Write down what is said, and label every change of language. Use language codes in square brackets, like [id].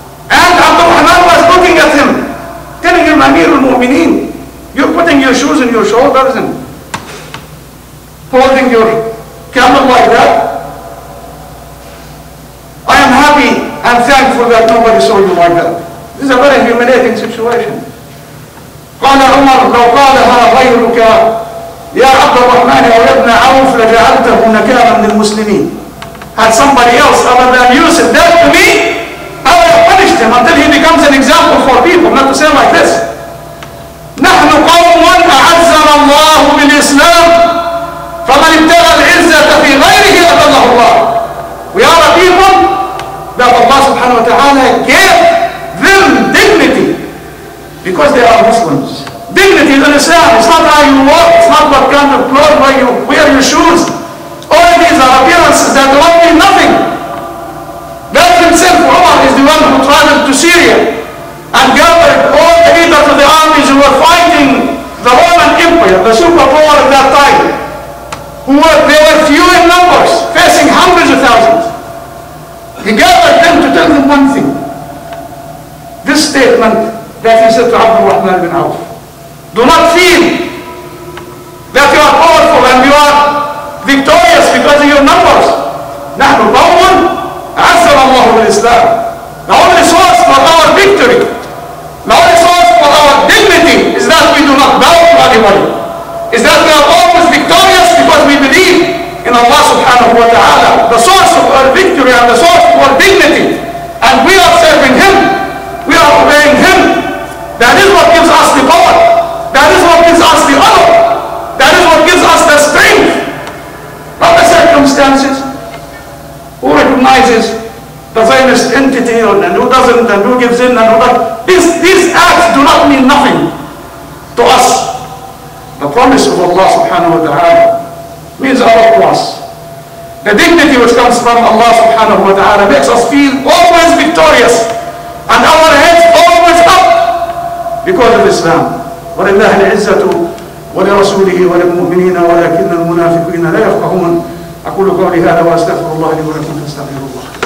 [en] And Abdul Rahman was looking at him, telling him, Amir al-Mu'mineen, you're putting your shoes in your shoulders and holding your camel like that. I am happy and thankful that nobody saw you like that. This is a very humiliating situation. [ar] قال عمر لو قالها غيرك يا عبد الرحمن او ابن عوف لجعلته نكالا للمسلمين. [en] Had somebody else other than you said that to me, I would have punished him until he becomes an example for people not to say like this. [ar] نحن قوم اعزنا الله بالاسلام فمن ابتغى العزه في غيره ابله الله. [en] We are a people that Allah subhanahu wa ta'ala gave them dignity because they are Muslims. Dignity is an Islam. It's not how you walk, it's not what kind of clothes, where you wear your shoes. All these are appearances that don't mean nothing. That himself, Umar, is the one who traveled to Syria and gathered all the leaders of the armies who were fighting the Roman Empire, the superpower at that time. They were few in numbers, facing hundreds of thousands. He gathered them to tell them one thing. This statement that he said to Abd al-Rahman ibn Auf. Do not feel that you are powerful and you are victorious because of your numbers. [ar] نحن قوم عزل الله بالإسلام. [en] The only source for our victory, the only source for our dignity is that we do not bow to anybody. Is that we are always victorious because we believe in Allah subhanahu wa ta'ala. The source of our victory and the source of our dignity. And we are serving Him. We are obeying Him. That is what gives us the power. That is what gives us the honor. That is what gives us the strength. Not the circumstances. Who recognizes the famous entity and who doesn't and who gives in and who doesn't. These acts do not mean nothing to us. The promise of Allah subhanahu wa ta'ala means a lot to us. The dignity which comes from Allah subhanahu wa ta'ala makes us feel always victorious and our heads always up. Because of Islam. [ar] ولله العزة ولرسوله وللمؤمنين ولكن المنافقين لا يفقهون. أقول قولي هذا وأستغفر الله لي ولكم فاستغفروا الله.